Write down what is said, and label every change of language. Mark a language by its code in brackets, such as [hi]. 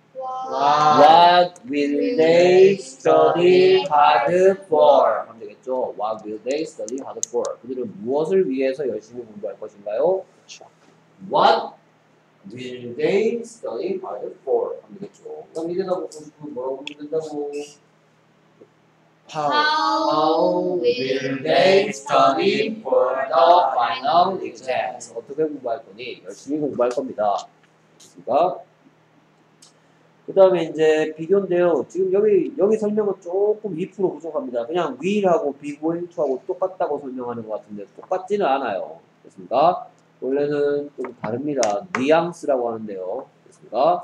[en] What will they study hard for? [ko] 하면 되겠죠. [en] What will they study hard for? [ko] 그들은 무엇을 위해서 열심히 공부할 것인가요? [en] What will they study hard for? [ko] 하면 되겠죠. 그럼 이 대답 듣고 싶으면 뭐라고 물은다고? [en] How will they study for the final exams? [ko] 어떻게 공부할 거니? 열심히 공부할 겁니다. 됐습니까? 그 다음에 이제 비교인데요. 지금 여기 설명은 조금 2% 부족합니다. 그냥 will하고 be going to하고 똑같다고 설명하는 것 같은데 똑같지는 않아요. 됐습니까? 원래는 좀 다릅니다. nuance라고 하는데요. 됐습니까?